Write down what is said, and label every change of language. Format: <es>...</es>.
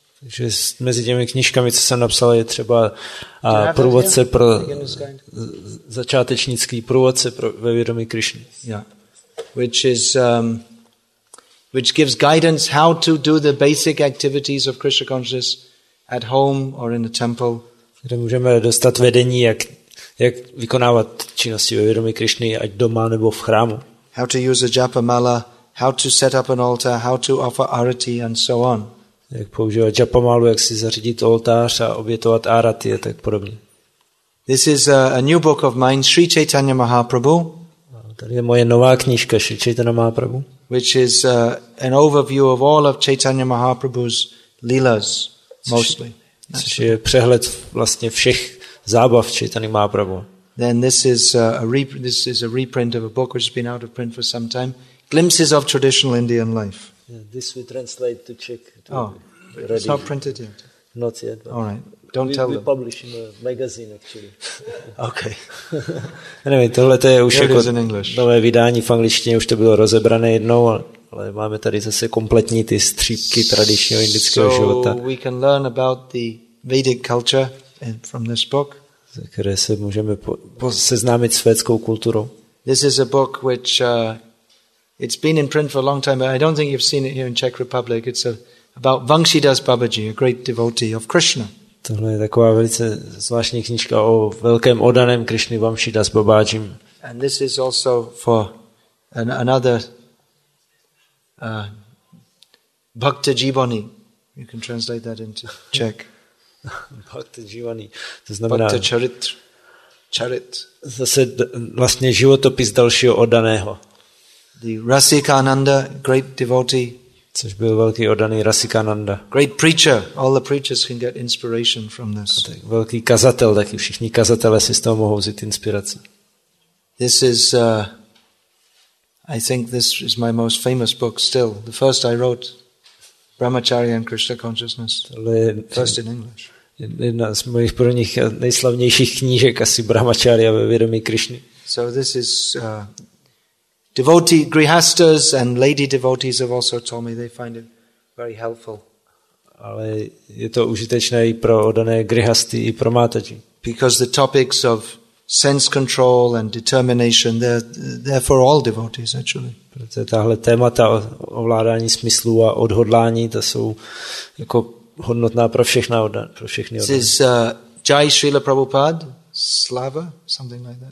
<cs>Takže mezi těmi knížkami, co jsem napsal, je třeba průvodce pro začátečnický průvodce pro ve vědomí Krišny.</cs> <en>Yeah. Which is which gives guidance how to do the basic activities of Krishna consciousness at home or in the temple.</en> <cs>Kde můžeme dostat vedení, jak vykonávat činnosti ve vědomí Krišny, ať doma nebo v chrámu.</cs> <en>How to use a japa mala, how to set up an altar, how to offer arati and so on.</en> <cs>Jak používat japamalu, jak si zařídit oltář a obětovat árati a tak podobně.</cs> <en>This is a new book of mine, Sri Chaitanya Mahaprabhu.</en> <cs>Tady je moje nová knížka, Sri Chaitanya Mahaprabhu.</cs> <en>Which is an overview of all of Chaitanya Mahaprabhu's lilas, mostly.</en> <cs>Což je přehled vlastně všech zábav Chaitanya Mahaprabhu.</cs> <en>Then this is a reprint of a book which has been out of print for some time, Glimpses of Traditional Indian Life. Yeah, this we translate to Czech. It's not printed yet. Not yet. All right. Don't tell them. We publish in a magazine, actually. Okay.</en> <cs>Anyway, tohle to je už nové vydání v angličtině, už to bylo rozebrané jednou, ale máme tady zase kompletní ty střípky tradičního indického života.</cs> <en>So we can learn about the Vedic culture from this book.</en> <cs>Ze které se můžeme seznámit s védskou kulturou.</cs> <en>This is a book which it's been in print for a long time, but I don't think you've seen it here in Czech Republic. It's about Vamsidas Babaji, a great devotee of Krishna.</en> <cs>Tohle je taková velice zvláštní knížka o velkém oddaném Krišny Vamsidas Babaji.</cs> <en>And this is also for another Bhakta Jivani. You can translate that into Czech.</en> <cs>Bhakta Jivani. To znamená Bhakta Charit. Zase vlastně životopis dalšího oddaného.</cs> <en>The Rasikananda, great devotee.</en> <cs>Což byl velký oddaný Rasikananda.</cs> <en>Great preacher. All the preachers can get inspiration from this.</en> <cs>Tak velký kazatel, taky všichni kazatelé si z toho mohou vzít inspiraci.</cs> <en>This is, I think this is my most famous book still. The first I wrote, Brahmacharya and Krishna Consciousness. First in English.</en> <cs>Jedna z mojich prvních nejslavnějších knížek, asi Brahmacharya ve vědomí Krišny.</cs> <en>So this is... Devotee, grihastas and lady devotees have also told me they find it very helpful.</en> <cs>Ale je to užitečné i pro oddané grihasty i pro mataji.</cs> <en>Because the topics of sense control and determination, they're for all devotees actually.</en> <cs>Protože tahle témata ovládání smyslu a odhodlání, to jsou jako hodnotná pro všechny oddané.</cs> <en>This is Jai Srila Prabhupada, Slava, something like that.</en>